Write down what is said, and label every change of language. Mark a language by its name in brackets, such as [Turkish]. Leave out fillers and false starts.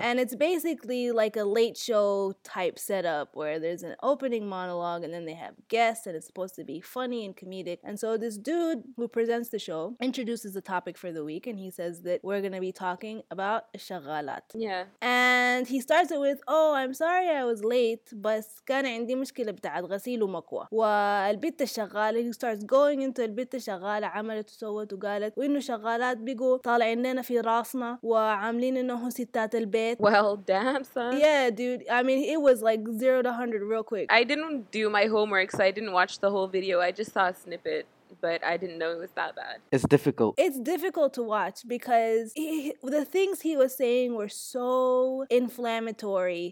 [English] And it's basically like a late show type setup where there's an opening monologue and then they have guests and it's supposed to be funny and comedic. And so this dude who presents the show introduces the topic for the week and he says that we're going to be talking about shagalat. Yeah. And he starts it with, oh, I'm sorry I was late, but [Arabic] كان عندي مشكلة بتاعت غسيل ومكوى. والبيت الشغالة, [English] he starts going into [Arabic] البيت الشغالة, عملت وسوت وقالت, وإنه شغالات بيجوا طالعين لنا في راسنا وعاملين إنه ستات البيت. [English] Well, damn, son. Yeah, dude. I mean, it was like 0 to 100 real quick. I didn't do my homework, so I didn't watch the whole video. I just saw a snippet. But I didn't know it was that bad. It's difficult. It's difficult to watch because the things he was saying were so inflammatory.